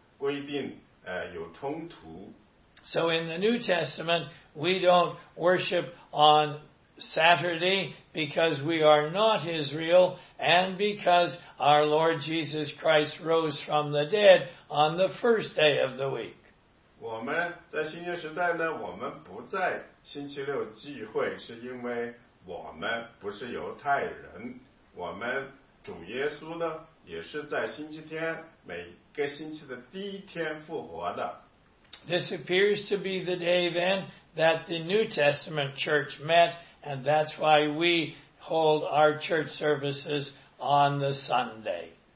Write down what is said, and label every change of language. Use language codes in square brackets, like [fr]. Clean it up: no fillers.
[zh] 因为他们在旧约时代他们跟那个时候他们在星期六聚会呢是因为他们当时他们对那个安息日的那个规定有冲突。 [en] So in the New Testament, we don't worship on Saturday because we are not Israel and because our Lord Jesus Christ rose from the dead on the first day of the week. [zh] 我们在新约时代呢,我们不在星期六聚会,是因为我们不是犹太人,我们主耶稣呢,也是在星期天,每个星期的第一天复活的。 [en] This appears to be the day then that the New Testament church met, and that's why we hold our church services on the Sunday.